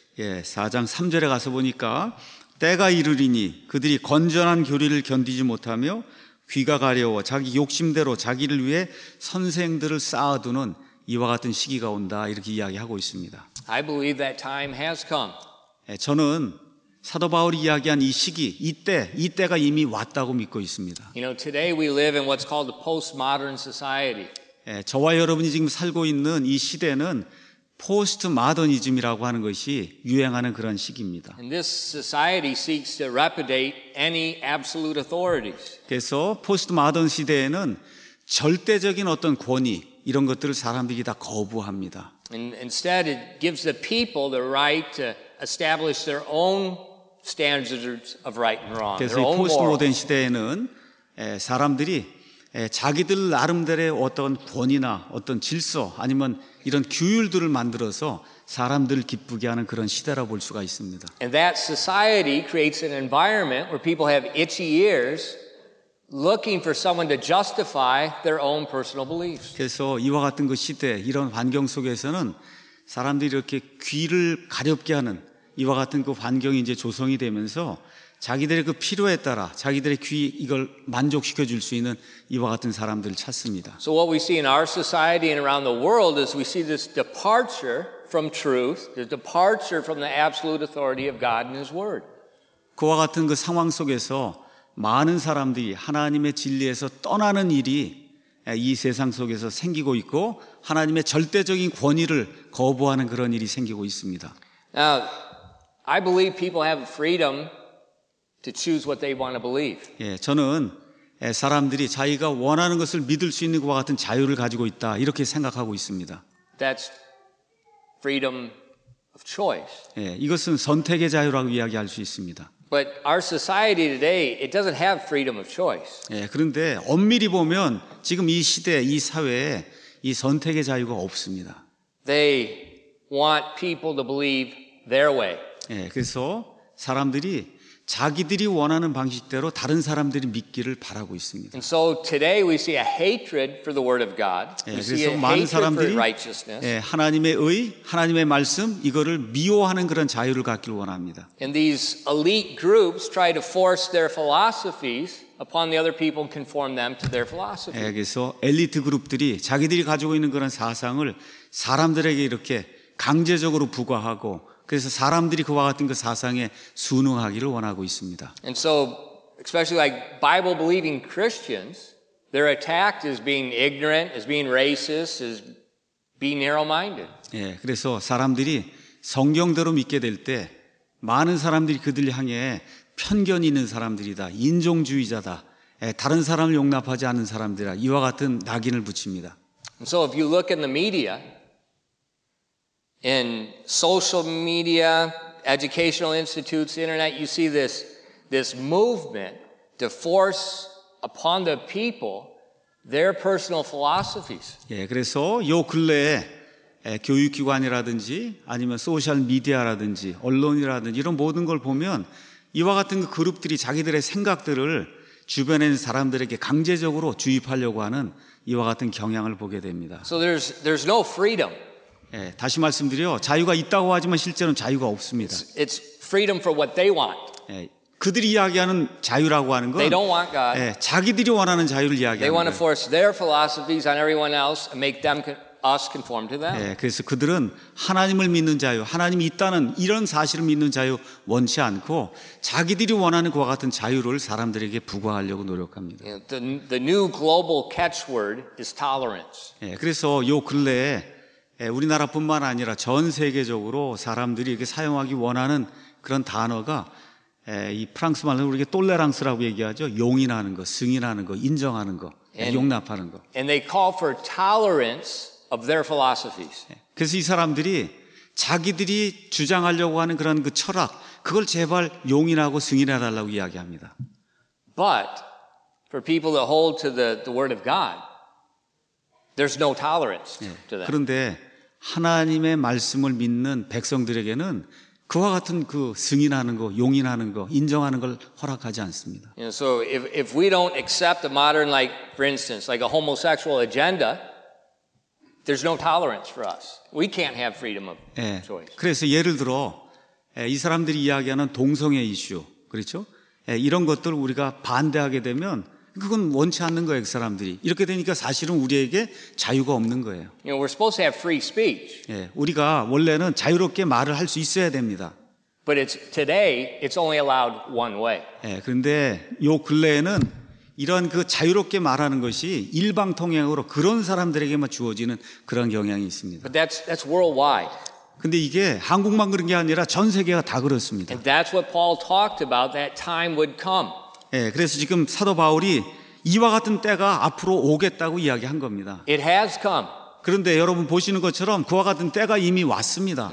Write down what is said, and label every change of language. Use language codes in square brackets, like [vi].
[ko] 예, 4장 3절에 가서 보니까 때가 이르리니 그들이 건전한 교리를 견디지 못하며 귀가 가려워 자기 욕심대로 자기를 위해 선생들을 쌓아두는 이와 같은 시기가 온다 이렇게 이야기하고 있습니다. [en] I believe that time has come. [ko] 예, 저는 사도 바울이 이야기한 이 시기, 이때가 이미 왔다고 믿고 있습니다. [en] You know, today we live in what's called the postmodern society. [ko] 예, 저와 여러분이 지금 살고 있는 이 시대는 포스트 마더니즘이라고 하는 것이 유행하는 그런 시기입니다. [en] And this society seeks to repudiate any absolute authorities. [ko] 그래서 포스트 마더니 시대에는 절대적인 어떤 권위 이런 것들을 사람들이 다 거부합니다. [en] And instead it gives the people the right to establish their own standards of right and wrong. [ko] 그래서 포스트 모던 시대에는 사람들이 자기들 나름대로의 어떤 권위나 어떤 질서 아니면 이런 규율들을 만들어서 사람들을 기쁘게 하는 그런 시대라고 볼 수가 있습니다. [en] And that society creates an environment where people have itchy ears looking for someone to justify their own personal beliefs. [ko] 그래서 이와 같은 그 시대 이런 환경 속에서는 사람들이 이렇게 귀를 가렵게 하는 이와 같은 그 환경이 이제 조성이 되면서 자기들의 그 필요에 따라 자기들의 귀 이걸 만족시켜 줄 수 있는 이와 같은 사람들을 찾습니다. [en] So what we see in our society and around the world is we see this departure from truth, the departure from the absolute authority of God and His Word. [ko] 그와 같은 그 상황 속에서 많은 사람들이 하나님의 진리에서 떠나는 일이 이 세상 속에서 생기고 있고 하나님의 절대적인 권위를 거부하는 그런 일이 생기고 있습니다. [en] Now, I believe people have freedom to choose what they want to believe. [ko] 예, 저는 사람들이 자기가 원하는 것을 믿을 수 있는 것과 같은 자유를 가지고 있다 이렇게 생각하고 있습니다. [en] That's freedom of choice. [ko] 예, 이것은 선택의 자유라고 이야기할 수 있습니다. [en] But our society today, it doesn't have freedom of choice. [ko] 예, 그런데 엄밀히 보면 지금 이 시대, 이 사회에 이 선택의 자유가 없습니다. [en] They want people to believe their way. [ko] 예, 그래서 사람들이 자기들이 원하는 방식대로 다른 사람들이 믿기를 바라고 있습니다. [en] And so today we see a hatred for the word of God. [ko] 예, 그래서 많은 사람들이 하나님의 의, 하나님의 말씀 이거를 미워하는 그런 자유를 갖기를 원합니다. [en] And these elite groups try to force their philosophies upon the other people and conform them to their philosophy. [ko] 예, 그래서 엘리트 그룹들이 자기들이 가지고 있는 그런 사상을 사람들에게 이렇게 강제적으로 부과하고 그래서 사람들이 그와 같은 그 사상에 순응하기를 원하고 있습니다. [en] And so, especially like Bible believing Christians, they're attacked as being ignorant, as being racist, as being narrow-minded. [ko] 예, 그래서 사람들이 성경대로 믿게 될 때 많은 사람들이 그들 향해 편견이 있는 사람들이다, 인종주의자다, 다른 사람을 용납하지 않는 사람들이라 이와 같은 낙인을 붙입니다. [en] And so if you look in the media, in social media, educational institutes, internet, you see this movement to force upon the people their personal philosophies. [ko] 예, 그래서 요 근래에 교육기관이라든지 아니면 소셜 미디어라든지 언론이라든지 이런 모든 걸 보면 이와 같은 그 그룹들이 자기들의 생각들을 주변에 있는 사람들에게 강제적으로 주입하려고 하는 이와 같은 경향을 보게 됩니다. [en] So there's no freedom. [ko] 예, 다시 말씀드려 자유가 있다고 하지만 실제로는 자유가 없습니다. [en] It's freedom for what they want. [ko] 예, 그들이 이야기하는 자유라고 하는 건 [en] They don't want God. [ko] 예, 자기들이 원하는 자유를 이야기하는 [en] They want to force their philosophies on everyone else and make them us conform to them. [ko] 예, 그래서 그들은 하나님을 믿는 자유, 하나님이 있다는 이런 사실을 믿는 자유 원치 않고 자기들이 원하는 그와 같은 자유를 사람들에게 부과하려고 노력합니다. [en] The new global catchword is tolerance. [ko] 예, 그래서 요 근래에 우리나라뿐만 아니라 전 세계적으로 사람들이 이렇게 사용하기 원하는 그런 단어가 이 프랑스 말로 우리가 똘레랑스라고 얘기하죠. 용인하는 거, 승인하는 거, 인정하는 거, [en] and, [ko] 용납하는 거. [en] And they call for tolerance of their philosophies. [ko] 그래서 이 사람들이 자기들이 주장하려고 하는 그런 그 철학, 그걸 제발 용인하고 승인해 달라고 이야기합니다. [en] But for people that hold to the word of God, There's no tolerance to that. [ko] 그런데 하나님의 말씀을 믿는 백성들에게는 그와 같은 그 승인하는 거, 용인하는 거, 인정하는 걸 허락하지 않습니다. [en] You know, so if we don't accept a modern, like for instance, like a homosexual agenda, there's no tolerance for us. We can't have freedom of choice. [ko] 예, 그래서 예를 들어 이 사람들이 이야기하는 동성애 이슈, 그렇죠? 이런 것들 우리가 반대하게 되면. 그건 원치 않는 거예요, 그 사람들이. 이렇게 되니까 사실은 우리에게 자유가 없는 거예요. [en] You know, we're supposed to have free speech. [ko] 예, 우리가 원래는 자유롭게 말을 할 수 있어야 됩니다. [en] But it's today it's only allowed one way. [ko] 예, 그런데 요 근래에는 이런 그 자유롭게 말하는 것이 일방통행으로 그런 사람들에게만 주어지는 그런 경향이 있습니다. [en] But that's worldwide. [ko] 근데 이게 한국만 그런 게 아니라 전 세계가 다 그렇습니다. [en] And that's what Paul talked about, that time would come. [ko] 예, 그래서 지금 사도 바울이 이와 같은 때가 앞으로 오겠다고 이야기한 겁니다. [en] It has come. [ko] 그런데 여러분 보시는 것처럼 그와 같은 때가 이미 왔습니다.